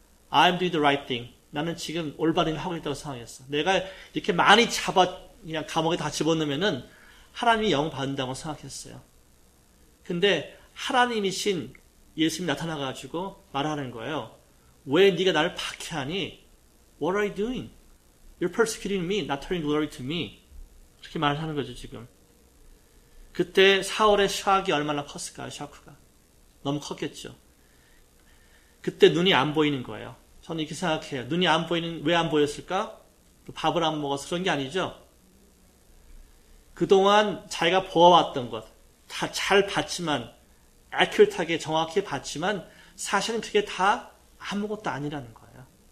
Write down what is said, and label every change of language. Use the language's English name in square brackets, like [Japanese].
[English] I'm doing the right thing. [Korean] 나는 지금 올바른 일을 하고 있다고 생각했어. 내가 이렇게 많이 잡아 그냥 감옥에 다 집어넣으면은 하나님이 영 받는다고 생각했어요. 근데 하나님이신 예수님이 나타나가지고 말하는 거예요. 왜 네가 나를 박해하니? [English] What are you doing? You're persecuting me, not turning glory to me. [Korean] 그렇게 말하는 거죠, 지금. 그때 사울의 샥이 얼마나 컸을까요, 샤크가. 너무 컸겠죠. 그때 눈이 안 보이는 거예요. 저는 이렇게 생각해요. 눈이 안 보이는, 왜 안 보였을까? 밥을 안 먹어서 그런 게 아니죠. 그동안 자기가 보아왔던 것, 다 잘 봤지만, 애큐릿하게 정확히 봤지만 사실은 그게 다 아무것도 아니라는 거예요.